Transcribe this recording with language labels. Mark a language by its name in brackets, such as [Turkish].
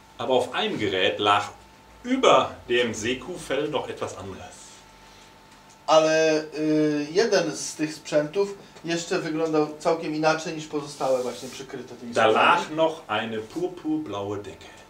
[German] Aber auf einem Gerät lag über dem Seekuhfell noch etwas anderes. [Polish] Ale jeden z tych sprzętów jeszcze wyglądał całkiem inaczej niż pozostałe właśnie przykryte tymi sprzętami. [German] Da lag noch eine purpurblaue Decke.